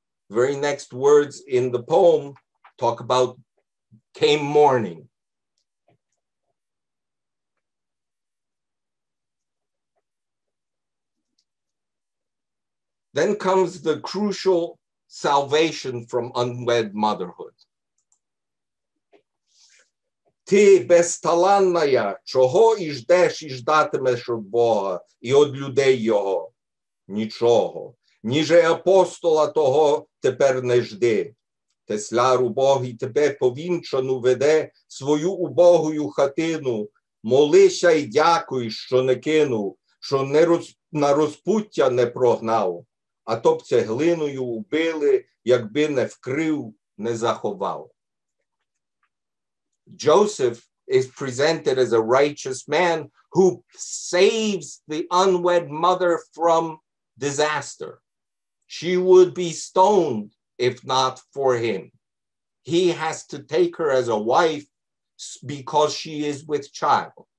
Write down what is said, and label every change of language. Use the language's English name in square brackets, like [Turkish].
[English] Very next words in the poem talk about came morning. Then comes the crucial salvation from unwed motherhood. [Ukrainian] Ти безталанна, чого і ждеш і ждатимеш від Бога і від людей його? Нічого. Ніже апостола того тепер не жди. Тесляр убогий тебе повінчану веде свою убогою хатину. Молися й дякуй, що не кинув, що не роз... на розпуття не прогнав. А то б цеглиною убили, якби не вкрив, не заховав. [English] Joseph is presented as a righteous man who saves the unwed mother from disaster. She would be stoned if not for him. He has to take her as a wife because she is with child.